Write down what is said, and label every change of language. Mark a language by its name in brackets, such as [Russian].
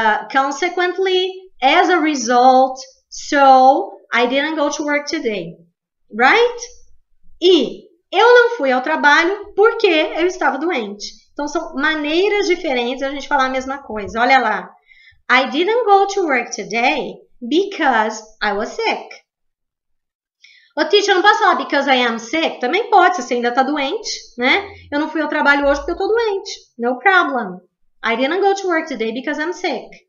[English] Consequently, as a result, so I didn't go to work today. Right? [Portuguese] E eu não fui ao trabalho porque eu estava doente. Então, são maneiras diferentes de a gente falar a mesma coisa. Olha lá. [English] I didn't go to work today because I was sick. [Portuguese] Ô, teacher, eu não posso falar [English] because I am sick? [Portuguese] Também pode, se você ainda está doente, né? Eu não fui ao trabalho hoje porque eu estou doente. [English] No problem. I didn't go to work today because I'm sick.